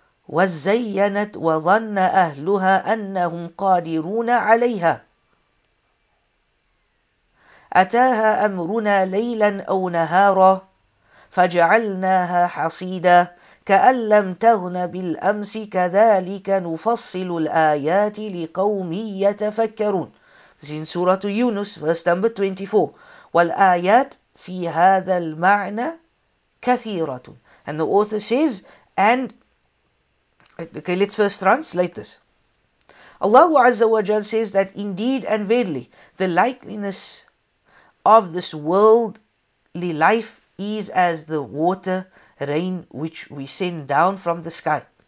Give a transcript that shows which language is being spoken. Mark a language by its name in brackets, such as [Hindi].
[Arabic] وَزَيَّنَتْ وَظَنَّ أَهْلُهَا أَنَّهُمْ قَادِرُونَ عَلَيْهَا أَتَاهَا أَمْرُنَا لَيْلًا أَوْ نَهَارًا فَجَعَلْنَاهَا حَصِيدًا كأن لم تغن بالأمس كذلك نفصل الآيات لقوم يتفكرون. [English] This is سورة يونس verse number 24. [Arabic] والآيات في هذا المعنى كثيرة. [English] And the author says, and okay, let's first translate this. Allah Azza wa Jal says that indeed and verily, the likeliness of this worldly life is as the water rain which we send down from the sky.